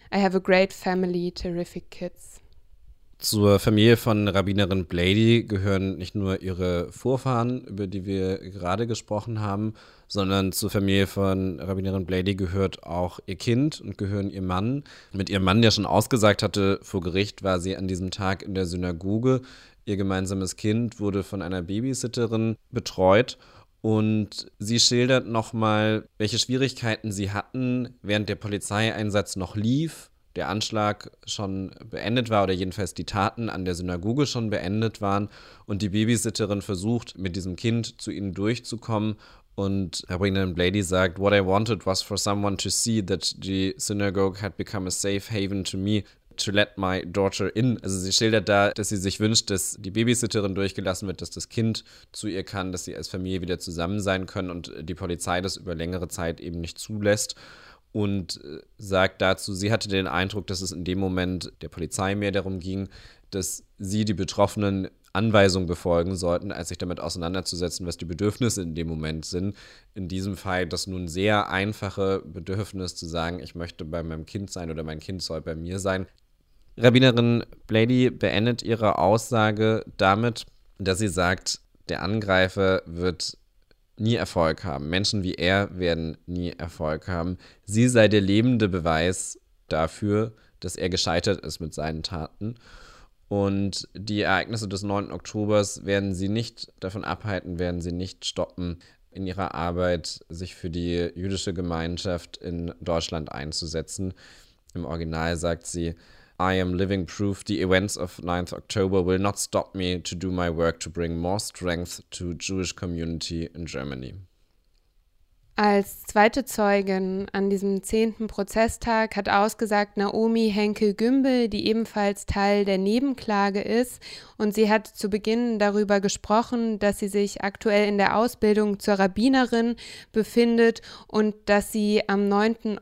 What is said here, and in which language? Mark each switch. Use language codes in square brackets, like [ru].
[en] I have a great family, terrific kids." [de] Zur Familie von Rabbinerin Blady gehören nicht nur ihre Vorfahren, über die wir gerade gesprochen haben, sondern zur Familie von Rabbinerin Blady gehört auch ihr Kind und gehören ihr Mann. Mit ihrem Mann, der schon ausgesagt hatte vor Gericht, war sie an diesem Tag in der Synagoge. Ihr gemeinsames Kind wurde von einer Babysitterin betreut. Und sie schildert nochmal, welche Schwierigkeiten sie hatten, während der Polizeieinsatz noch lief, der Anschlag schon beendet war oder jedenfalls die Taten an der Synagoge schon beendet waren und die Babysitterin versucht, mit diesem Kind zu ihnen durchzukommen. Und Rabbinerin Blady sagt, [en] what I wanted was for someone to see that the synagogue had become a safe haven to me to let my daughter in. [de] Also sie schildert da, dass sie sich wünscht, dass die Babysitterin durchgelassen wird, dass das Kind zu ihr kann, dass sie als Familie wieder zusammen sein können und die Polizei das über längere Zeit eben nicht zulässt. Und sagt dazu, sie hatte den Eindruck, dass es in dem Moment der Polizei mehr darum ging, dass sie die Betroffenen Anweisungen befolgen sollten, als sich damit auseinanderzusetzen, was die Bedürfnisse in dem Moment sind. In diesem Fall das nun sehr einfache Bedürfnis zu sagen, ich möchte bei meinem Kind sein oder mein Kind soll bei mir sein. Rabbinerin Blady beendet ihre Aussage damit, dass sie sagt, der Angreifer wird nie Erfolg haben. Menschen wie er werden nie Erfolg haben. Sie sei der lebende Beweis dafür, dass er gescheitert ist mit seinen Taten. Und die Ereignisse des 9. Oktober werden sie nicht davon abhalten, werden sie nicht stoppen, in ihrer Arbeit sich für die jüdische Gemeinschaft in Deutschland einzusetzen. Im Original sagt sie, [en] I am living proof the events of 9th October will not stop me to do my work to bring more strength to Jewish community in Germany. [de] Als zweite Zeugin an diesem 10. Prozesstag hat ausgesagt Naomi Henkel-Gümbel, die ebenfalls Teil der Nebenklage ist. Und sie hat zu Beginn darüber gesprochen, dass sie sich aktuell in der Ausbildung zur Rabbinerin befindet und dass sie am 9.